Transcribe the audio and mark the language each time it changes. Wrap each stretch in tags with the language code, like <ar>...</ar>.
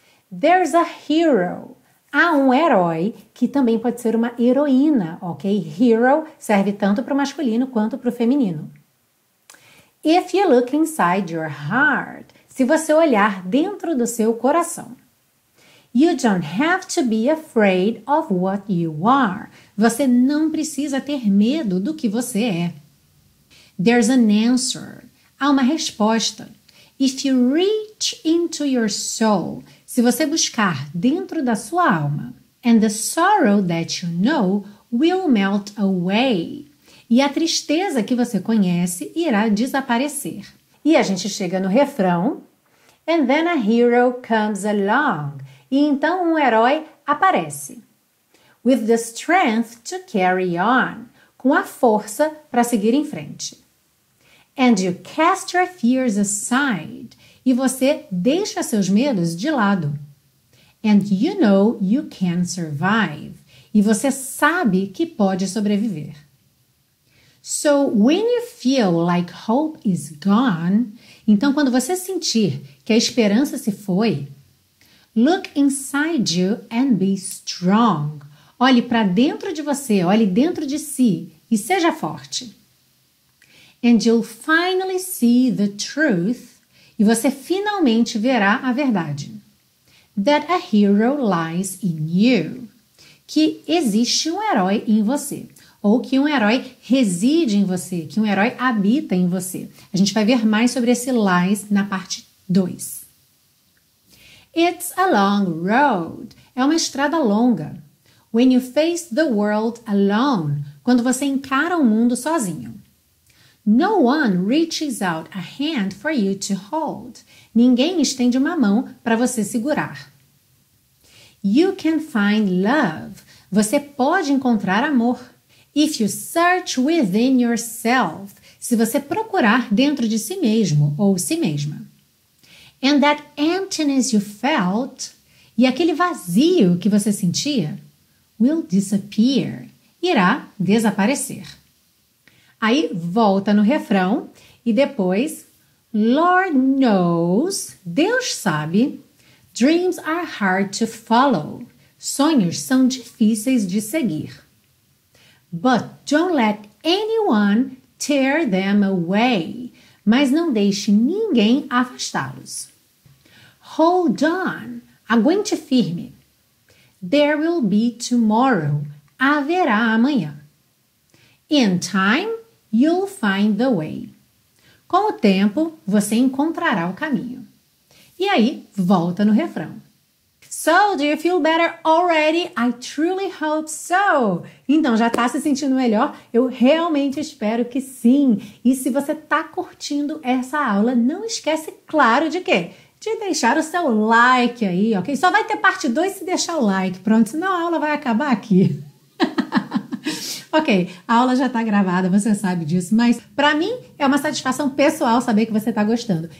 <en>There's a hero.</en> <pt>Há um herói que também pode ser uma heroína, ok? Hero serve tanto para o masculino quanto para o feminino.</pt> <en>If you look inside your heart.</en> <pt>Se você olhar dentro do seu coração.</pt> <en>You don't have to be afraid of what you are.</en> <pt>Você não precisa ter medo do que você é.</pt> <en>There's an answer.</en> <pt>Há uma resposta.</pt> <en>If you reach into your soul.</en> <pt>Se você buscar dentro da sua alma.</pt> <en>And the sorrow that you know will melt away.</en> <pt>E a tristeza que você conhece irá desaparecer. E a gente chega no refrão.</pt> <en>And then a hero comes along.</en> <pt>E então um herói aparece.</pt> <en>With the strength to carry on.</en> <pt>Com a força para seguir em frente.</pt> <en>And you cast your fears aside.</en> <pt>E você deixa seus medos de lado.</pt> <en>And you know you can survive.</en> <pt>E você sabe que pode sobreviver.</pt> <en>So when you feel like hope is gone.</en> <pt>Então quando você sentir que a esperança se foi.</pt> <en>Look inside you and be strong.</en> <pt>Olhe para dentro de você, olhe dentro de si e seja forte.</pt> <en>And you'll finally see the truth.</en> <pt>E você finalmente verá a verdade.</pt> <en>That a hero lies in you.</en> <pt>Que existe um herói em você. Ou que um herói reside em você, que um herói habita em você. A gente vai ver mais sobre esse lies na parte 2.</pt> <en>It's a long road.</en> <pt>É uma estrada longa.</pt> <en>When you face the world alone.</en> <pt>Quando você encara o mundo sozinho.</pt> <en>No one reaches out a hand for you to hold.</en> <pt>Ninguém estende uma mão para você segurar.</pt> <en>You can find love.</en> <pt>Você pode encontrar amor.</pt> <en>If you search within yourself.</en> <pt>Se você procurar dentro de si mesmo ou si mesma.</pt> <en>And that emptiness you felt,</en> <pt>e aquele vazio que você sentia,</pt> <en>will disappear,</en> <pt>irá desaparecer. Aí volta no refrão e depois,</pt> <en>Lord knows,</en> <pt>Deus sabe,</pt> <en>dreams are hard to follow,</en> <pt>sonhos são difíceis de seguir.</pt> <en>But don't let anyone tear them away,</en> <pt>mas não deixe ninguém afastá-los.</pt> <en>Hold on,</en> <pt>Aguente firme.</pt> <en>There will be tomorrow.</en> <pt>Haverá amanhã.</pt> <en>In time, you'll find the way.</en> <pt>Com o tempo, você encontrará o caminho. E aí, volta no refrão.</pt> <en>So, do you feel better already? I truly hope so.</en> <pt>Então, já está se sentindo melhor? Eu realmente espero que sim. E se você está curtindo essa aula, não esquece, claro, de quê? De deixar o seu like aí, ok? Só vai ter parte 2 se deixar o like. Pronto, senão a aula vai acabar aqui. Ok, a aula já está gravada, você sabe disso, mas para mim é uma satisfação pessoal saber que você está gostando.</pt>